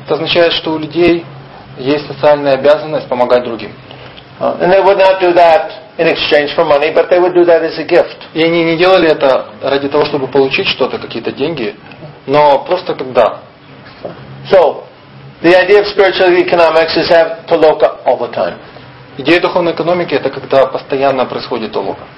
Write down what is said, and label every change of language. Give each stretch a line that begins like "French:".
Russian: Это означает, что у людей есть социальная обязанность помогать другим.
English: And they would not do that in exchange for money, but they would do that as a gift.
Russian: И они не делали это ради того, чтобы получить что-то, какие-то деньги, но просто как дар.
English: So, the idea of spiritual economics is have толока all the time.
Russian: Идея духовной экономики – это когда постоянно происходит толока.